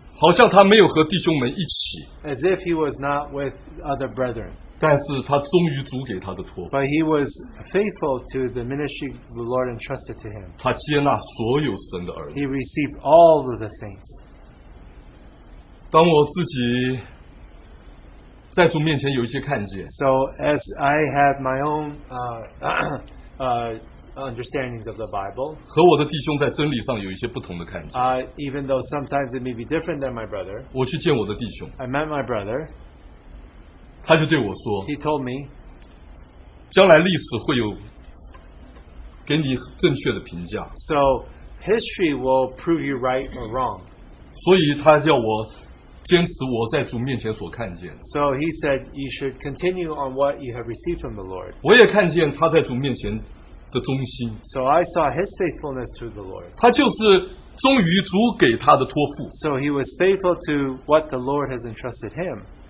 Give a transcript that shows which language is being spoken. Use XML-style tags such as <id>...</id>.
<zh>好像他没有和弟兄们一起</zh> <en>As if he was not with other brethren</en> <zh>但是他忠于主给他的托</zh> <en>But he was faithful to the ministry the Lord entrusted to him</en> <zh>他接纳所有神的儿女</zh> <en>He received all of the saints</en> <zh>当我自己在主面前有一些看见</zh> <en>So as I have my own understandings of the Bible.</en> <zh>和我的弟兄在真理上有一些不同的看见。</zh> <en>Even though sometimes it may be different than my brother.</en> <zh>我去见我的弟兄。</zh> <en>I met my brother.</en> <zh>他就对我说,</zh> <en>he told me,</en> <zh>将来历史会有给你正确的评价。</zh> <en>So history will prove you right or wrong.</en> <zh>所以他叫我 坚持我在主面前所看见。</zh> <en>So he said you should continue on what you have received from the Lord.</en> <zh>我也看见他在主面前的忠心。</zh> <en>So I saw his faithfulness to the Lord.</en> <zh>他就是忠于主给他的托付。</zh> <en>So he was faithful to what the Lord has entrusted him.</en>